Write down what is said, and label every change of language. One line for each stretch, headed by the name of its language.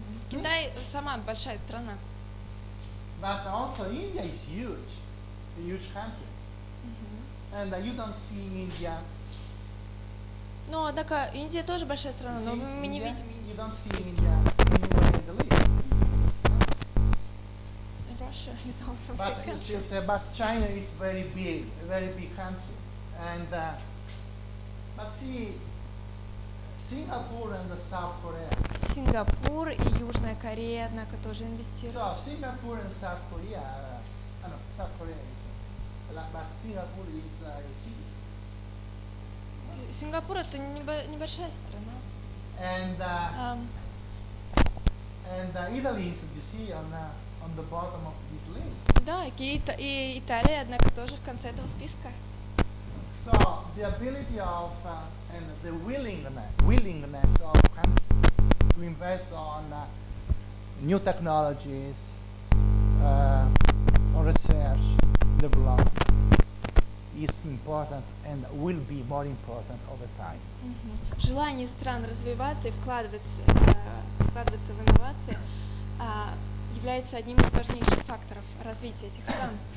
Russian: Китай сама большая страна.
English: But also India is huge, a huge country. And you don't see India.
Russian: Ну, однако Индия тоже большая страна, но мы не видим.
English: You don't see India anywhere in the list. Russia is also but China is very big, a very big country, and but see, Singapore and the South Korea.
Russian: Singapore и Южная Корея, однако, тоже инвестируют.
English: So Singapore and South Korea, South Korea is, but Singapore is a city.
Russian: Singapore это небольшая страна.
English: And Italy is, you see, on the bottom of this list.
Russian: Да, и Италия, однако, тоже в конце этого списка.
English: So the ability of and the willingness of countries to invest on new technologies, on research, development is important and will be more important over time.
Russian: Желание стран развиваться и вкладываться в инновации является одним из важнейших факторов развития этих стран.